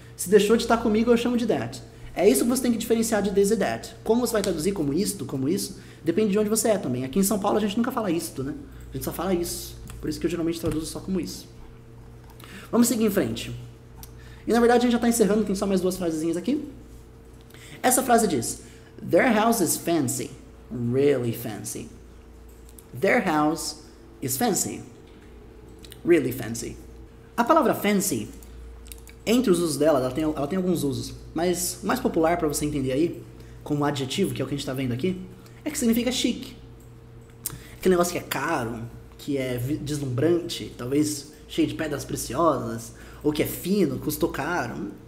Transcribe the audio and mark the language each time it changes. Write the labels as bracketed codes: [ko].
[pt] Se deixou de estar comigo, eu chamo de that. É isso que você tem que diferenciar de this e that. Como você vai traduzir como isto, como isso, depende de onde você é também. Aqui em São Paulo a gente nunca fala isto, né? A gente só fala isso. Por isso que eu geralmente traduzo só como isso. Vamos seguir em frente. E na verdade a gente já tá encerrando, tem só mais duas frasezinhas aqui. Essa frase diz, [en] their house is fancy, really fancy. Their house is fancy, really fancy. [pt] A palavra fancy, entre os usos dela, ela tem alguns usos, mas o mais popular para você entender aí, como adjetivo, que é o que a gente está vendo aqui, é que significa chique. Aquele negócio que é caro, que é deslumbrante, talvez cheio de pedras preciosas, ou que é fino, custou caro.